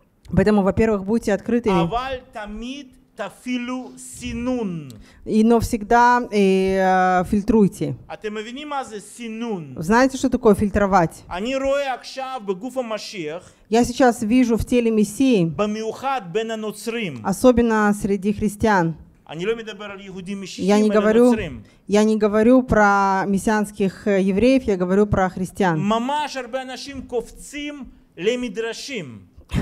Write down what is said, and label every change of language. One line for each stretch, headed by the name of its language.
Russian: Поэтому, во-первых, будьте открытыми.
Hebrew: תפילו סינון.
Russian: И но всегда фильтруйте.
Hebrew: אתם מבינים מה זה סינון?
Russian: Знаете, что такое фильтровать?
Hebrew: אני רואה עכשיו בגוף המשיח.
Russian: Я сейчас вижу в теле Мессии.
Hebrew: במיוחד בין הנוצרים.
Russian: Особенно среди христиан.
Hebrew: אני לא מדבר על יהודים משיחים.
Russian: Я не говорю про мессианских евреев, я говорю про христиан.
Hebrew: ממש הרבה אנשים קופצים למדרשים.